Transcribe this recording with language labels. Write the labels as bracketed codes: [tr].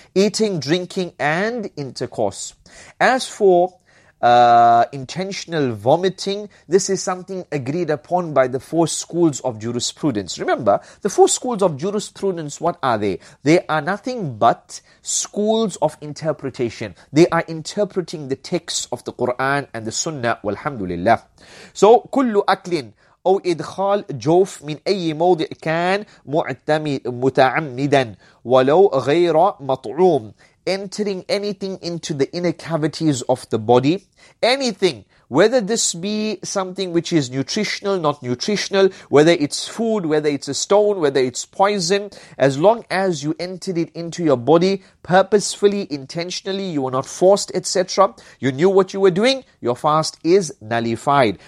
[en] Eating, drinking, and intercourse. As for intentional vomiting, this is something agreed upon by the four schools of jurisprudence. Remember, the four schools of jurisprudence, what are they? They are nothing but schools of interpretation. They are interpreting the texts of the Quran and the Sunnah. Walhamdulillah. So, [ar] kullu aklin. أو إدخال جوف من أي موضع كان متعمدا ولو غير مطعوم. [en] Entering anything into the inner cavities of the body, anything, whether this be something which is nutritional, not nutritional, whether it's food, whether it's a stone, whether it's poison, as long as you entered it into your body purposefully, intentionally, you were not forced, etc., you knew what you were doing, your fast is nullified.